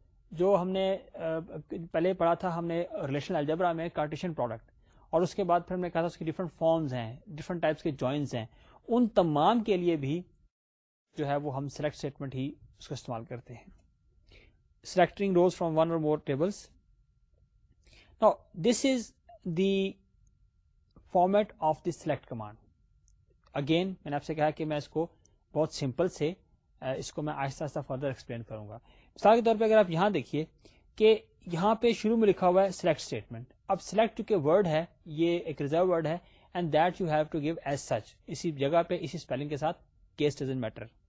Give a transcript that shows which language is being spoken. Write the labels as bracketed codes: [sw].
[ur] جو ہم نے پہلے پڑھا تھا ہم نے ریلیشنل الجبرا میں کارٹیشین پروڈکٹ, اور اس کے بعد پھر ہم نے کہا تھا اس کے ڈفرنٹ فارمز ہیں, ڈفرنٹ ٹائپس کے جوائنس ہیں, ان تمام کے لیے بھی جو ہے وہ ہم سلیکٹ اسٹیٹمنٹ ہی اس کو استعمال کرتے ہیں, [en] Selecting rows from one or more tables. Now this is the format of the select command. [ur] Again میں نے آپ سے کہا کہ میں اس کو بہت سمپل سے اس کو میں آہستہ آہستہ فردر ایکسپلین کروں گا. مثال کے طور پہ اگر آپ یہاں دیکھیے کہ یہاں پہ شروع میں لکھا ہوا ہے سلیکٹ اسٹیٹمنٹ. اب سلیکٹ کے ورڈ ہے, یہ ایک ریزرو ورڈ ہے, [en] and that you have to give as such, [ur] اسی جگہ پہ اسی اسپیلنگ کے ساتھ, [en] Case doesn't matter.